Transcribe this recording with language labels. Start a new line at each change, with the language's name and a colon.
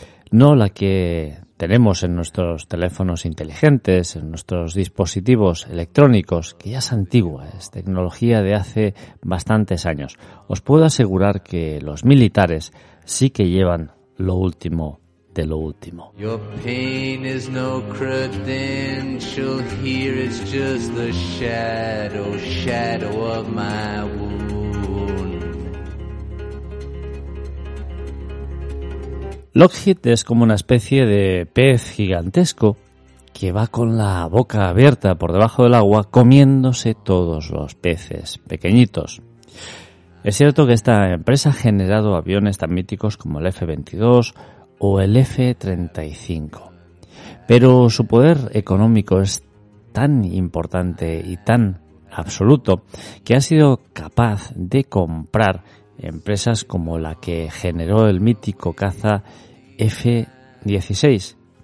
Spanish: No la que tenemos en nuestros teléfonos inteligentes, en nuestros dispositivos electrónicos, que ya es antigua, es tecnología de hace bastantes años. Os puedo asegurar que los militares sí que llevan lo último de lo último.
English: Your pain is no credential here, it's just the shadow of my wound.
Spanish: Lockheed es como una especie de pez gigantesco que va con la boca abierta por debajo del agua comiéndose todos los peces pequeñitos. Es cierto que esta empresa ha generado aviones tan míticos como el F-22 o el F-35, pero su poder económico es tan importante y tan absoluto que ha sido capaz de comprar empresas como la que generó el mítico caza F-16.